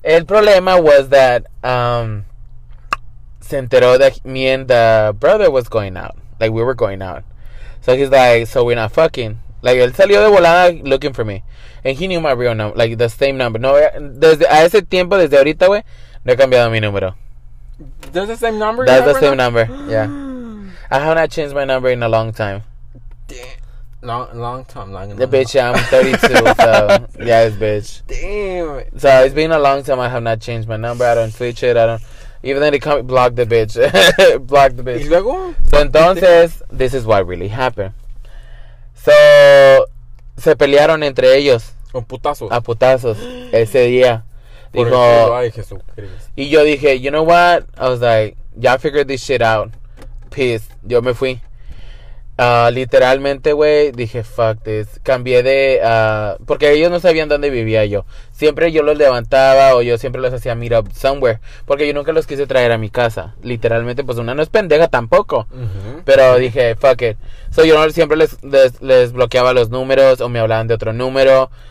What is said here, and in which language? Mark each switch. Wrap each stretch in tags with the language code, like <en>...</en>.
<es>El problema</es> <en>was that</en> <es>se enteró</es> <en>that me and the brother was going out. Like, we were going out. So he's like, so we're not fucking. Like,</en> <es>él salió de volada</es> <en>looking for me. And he knew my real number. Like, the same number.</en> <es>No, a ese tiempo, desde ahorita, güey, no he cambiado mi número.</es> <en>That's the same number. That's the same number. Yeah, I have not changed my number in a long time. Long time. Bitch, yeah, I'm 32. So yeah, it's bitch. Damn. So it's been a long time. I have not changed my number. I don't switch it. I don't. Even then, they can't block the bitch. Block the bitch.</en> <es>¿Y luego?</es> <en>So entonces, this is what really happened. So</en> <es>se pelearon entre ellos. Con putazos. A putazos. Ese día. Dijo, y yo dije,</es> <en>you know what, I was like, yeah, I figured this shit out, peace.</en> <es>Yo me fui, literalmente, güey. Dije,</es> <en>fuck this.</en> <es>Cambié de porque ellos no sabían dónde vivía yo. Siempre yo los levantaba o yo siempre los hacía</es> <en>meet up somewhere,</en> <es>porque yo nunca los quise traer a mi casa. Literalmente, pues una no es pendeja tampoco. Pero dije,</es> <en>fuck it.</en> <es>So yo siempre les bloqueaba los números o me hablaban de otro número.</es>